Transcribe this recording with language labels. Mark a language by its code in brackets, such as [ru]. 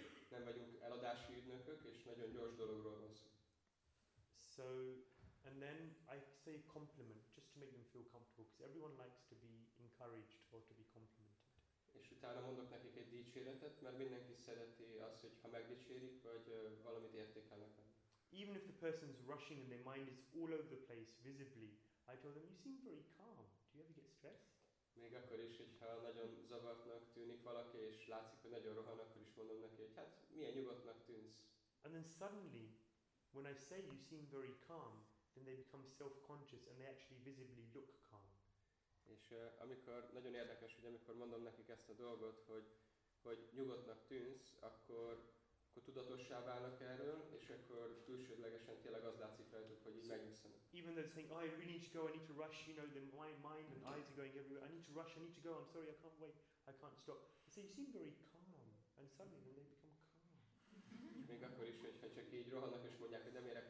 [hu] Nem vagyunk eladási ügynökök, és nagyon gyors dologról van szó. [en] So, and then I say compliment, just to make them feel comfortable, because everyone likes to be encouraged or to be complimented. [hu] És utána mondok nekik egy dicséretet, mert mindenki szereti azt, hogy ha megdicsérik, vagy valamit értékelnek. [en] Even if the person's rushing and their mind is all over the place, visibly, I tell them, you seem very calm. Do you ever get stressed? [hu] Még akkor is, hogyha nagyon zavartnak tűnik valaki, és látszik, hogy nagyon rohan, akkor is mondom neki, hogy hát milyen nyugodtnak tűnsz. [en] And then suddenly, when I say you seem very calm, then they become self-conscious and they actually visibly look calm. [hu] És amikor nagyon érdekes, hogy amikor mondom nekik ezt a dolgot, hogy nyugodtnak tűnsz, akkor tudatossá válnak erről, és akkor külsődlegesen tényleg az látszik rajtuk, hogy így megyünk szemben. [en] Even though they think, oh, I really need to go, I need to rush, you know, then my mind and eyes are going everywhere, I need to rush, I need to go, I'm sorry, I can't wait, I can't stop. They say, you seem very calm, and suddenly they become calm. [hu] Még akkor is, hogyha csak így rohannak, és mondják, hogy nem